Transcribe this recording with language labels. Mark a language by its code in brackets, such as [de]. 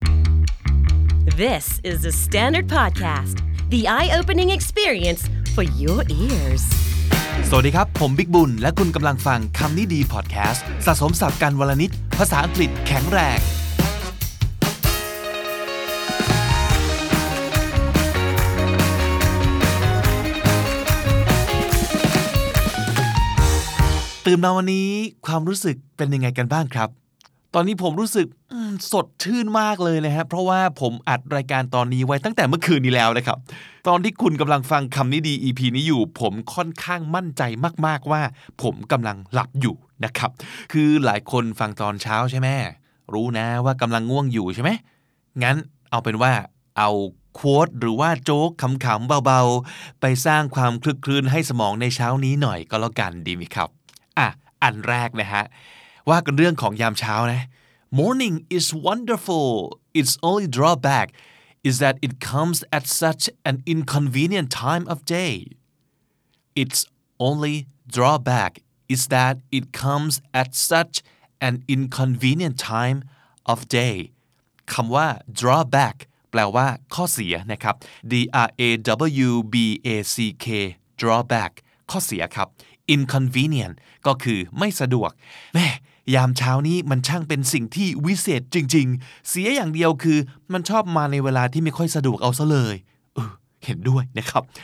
[en] This is the Standard Podcast, the eye-opening experience for your ears. [th] สวัสดีครับผมบิ๊กบุญและคุณกำลังฟังคำนี้ดีพอดแคสต์สะสมศัพท์กันวลนิดภาษาอังกฤษแข็งแรงตื่นมาวันนี้ความรู้สึกเป็นยังไงกันบ้างครับตอนนี้ผมรู้สึก สดชื่นมากเลยนะฮะเพราะว่าผมอัดรายการตอนนี้ไว้ตั้งแต่เมื่อคืนนี้แล้วนะครับตอนที่คุณกำลังฟังคำนี้ดี EP นี้อยู่ผมค่อนข้างมั่นใจมากๆว่าผมกำลังหลับอยู่นะครับคือหลายคนฟังตอนเช้าใช่ไหมรู้นะว่ากำลังง่วงอยู่ใช่ไหม งั้นเอาเป็นว่าเอาโค้ดหรือว่าโจ๊กขำๆเบาๆไปสร้างความคลึกครื้นให้สมองในเช้านี้หน่อยก็แล้วกันดีไหมครับอันแรกนะฮะว่ากันเรื่องของยามเช้านะ [en] Morning is wonderful. Its only drawback is that it comes at such an inconvenient time of day. Its only drawback is that it comes at such an inconvenient time of day. [th] คำว่า drawback แปลว่าข้อเสียนะครับ drawback drawback ข้อเสียครับ inconvenient ก็คือไม่สะดวกแม่ยามเช้านี้มันช่างเป็นสิ่งที่วิเศษจริงๆเสียอย่างเดียวคือมันชอบมาในเวลาที่ไม่ค่อยสะดวกเอาซะเลยเออเห็นด้วยนะครับ